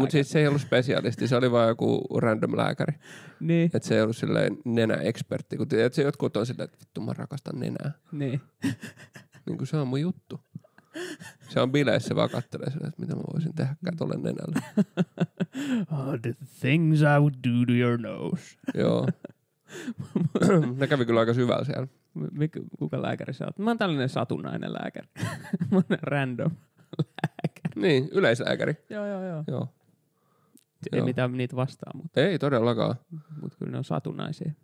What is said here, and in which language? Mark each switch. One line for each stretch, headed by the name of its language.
Finnish: Mutta siis se ei ollut spesialisti, se oli vaan joku random lääkäri. Niin. Että se ei ollut silleen nenäekspertti. Kun tiedät, että jotkut on silleen, että vittu mä rakastan nenää. Niin. Niin kuin se on mun juttu. Se on bileissä vaan kattelee silleen, että mitä mä voisin tehdä tolle nenälle.
English: Oh, the things I would do to your nose.
Finnish: Joo. Ne kävi kyllä aika syvällä siellä. Kuka lääkäri sä oot? Mä oon tällainen satunnainen lääkäri. Mä oon random lääkäri. Niin, yleislääkäri. Joo. Joo. Ei mitään niitä vastaa, mutta... Ei todellakaan. Mutta kyllä ne on satunnaisia.